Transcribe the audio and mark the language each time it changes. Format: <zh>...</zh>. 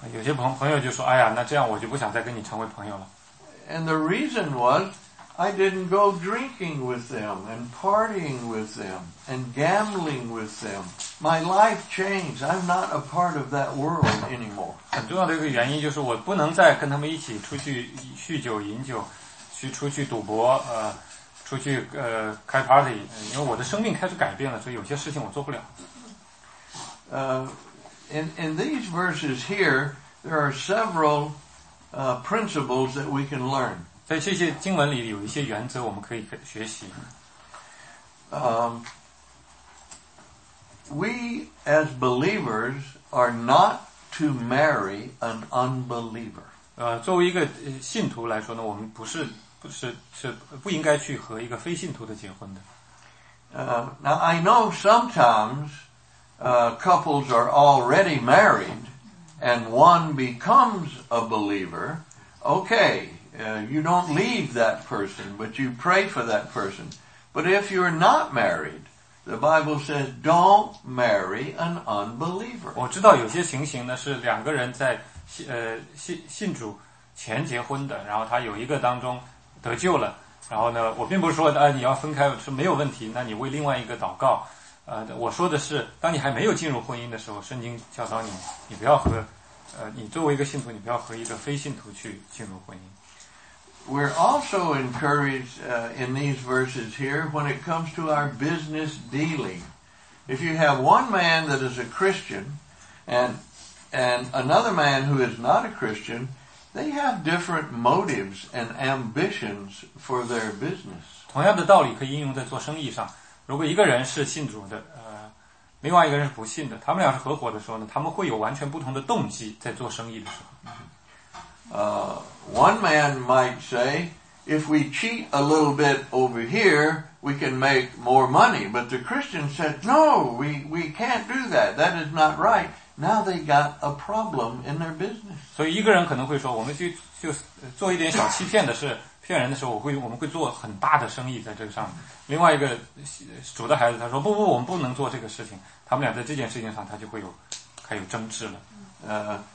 <zh>有些朋友就说，哎呀，那这样我就不想再跟你成为朋友了。</zh> <en>And the reason was, I didn't go drinking with them and partying with them and gambling with them. My life changed. I'm not a part of that world anymore.</en> <zh>很重要的一个原因就是我不能再跟他们一起出去酗酒饮酒，去出去赌博，出去开 party， 因为我的生命开始改变了，所以有些事情我做不了。</zh> <en>In these verses here, there are several principles that we can learn.</en> <zh>在这些经文里有一些原则我们可以学习。</zh> <en>We as believers are not to marry an unbeliever.</en> <zh>作为一个信徒来说呢，我们不是不是是不应该去和一个非信徒的结婚的。</zh> <en>Now I know sometimes, couples are already married, and one becomes a believer. Okay, you don't leave that person, but you pray for that person. But if you're not married, the Bible says, don't marry an unbeliever.</en> <zh>我知道有些情形呢，是两个人在信主前结婚的，然后他有一个当中得救了。然后呢，我并不是说你要分开是没有问题，那你为另外一个祷告。我说的是，当你还没有进入婚姻的时候，圣经教导你，你不要和你作为一个信徒，你不要和一个非信徒去进入婚姻。</zh> <en>We're also encouraged in these verses here when it comes to our business dealing. If you have one man that is a Christian and another man who is not a Christian. They have different motives and ambitions for their business.</en> <zh>同样的道理可以应用在做生意上。如果一个人是信主的，另外一个人是不信的，他们俩是合伙的时候呢，他们会有完全不同的动机在做生意的时候。</zh> <en>One man might say, if we cheat a little bit over here, we can make more money. But the Christian said, no, we can't do that. That is not right. Now they got a problem in their business.</en> <zh>所以一个人可能会说，我们就做一点小欺骗的事，骗人的时候，我们会做很大的生意在这个上面。另外一个主的孩子他说，不，我们不能做这个事情。他们俩在这件事情上，他就会有开始争执了。</zh>